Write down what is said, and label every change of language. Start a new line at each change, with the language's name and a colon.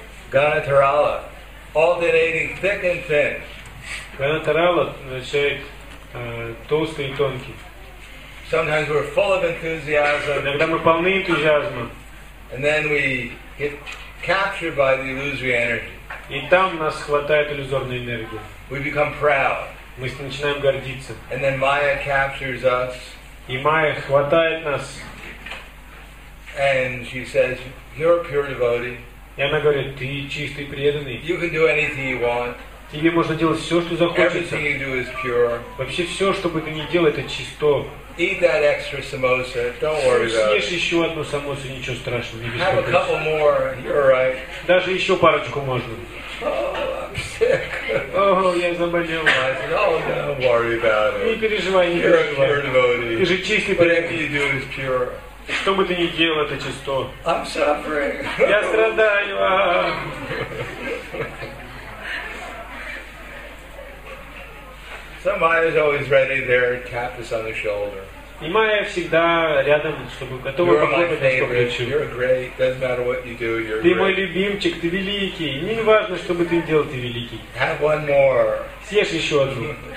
English: Ганатарала. All the lady thick and thin.
Russian: Ганатарала означает толстый и тонкий.
English: Sometimes we're full of enthusiasm.
Russian: Иногда мы полны энтузиазма.
English: And then we get captured by the illusory energy.
Russian: И там нас хватает иллюзорная энергия.
English: We become proud.
Russian: Мы начинаем гордиться.
English: And then Maya captures us.
Russian: И Майя хватает нас.
English: And she says, "You're a pure devotee."
Russian: И она говорит, ты чистый преданный.
English: You can do anything you want.
Russian: Тебе можно делать все, что захочется.
English: Everything you do is pure.
Russian: Вообще все, что бы ты ни делал, это чисто.
English: Eat that extra samosa. Don't worry about it.
Russian: Съешь еще одну самосу, ничего страшного, не беспокойся.
English: Have a couple more. You're right.
Russian: Даже еще парочку можно.
English: Oh, I'm sick.
Russian: Oh, я заболел.
English: I said, oh, don't worry about it.
Russian: Не переживай, не переживай. Ты же чистый преданный.
English: Whatever you do is pure.
Russian: Что бы ты ни делал, это чисто.
English: I'm suffering.
Russian: Я страдаю.
English: Somebody's always ready there to tap us on the shoulder.
Russian: И Майя всегда рядом, чтобы готова похлопать нас по плечу.
English: You're great. Doesn't matter what you do. You're
Russian: ты мой любимчик, ты великий. Не важно, что бы ты ни делал, ты великий.
English: Have one more.
Russian: Съешь еще одну.